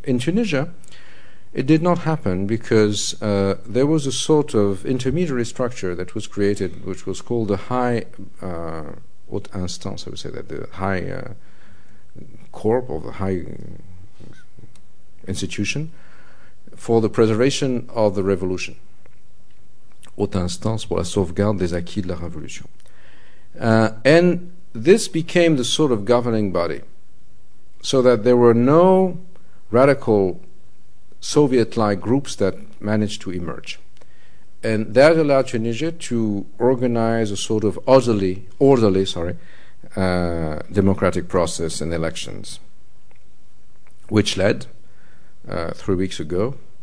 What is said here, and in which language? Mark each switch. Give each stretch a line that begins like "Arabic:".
English: In Tunisia, it did not happen, because there was a sort of intermediary structure that was created, which was called the High Haute Instance, I would say that, the High Corp, or the High Institution for the preservation of the revolution.
French: Haute instance pour la sauvegarde des acquis de la révolution.
English: And this became the sort of governing body, so that there were no radical Soviet-like groups that managed to emerge. And that allowed Tunisia to organize a sort of orderly, democratic process and elections, which led 3 weeks ago,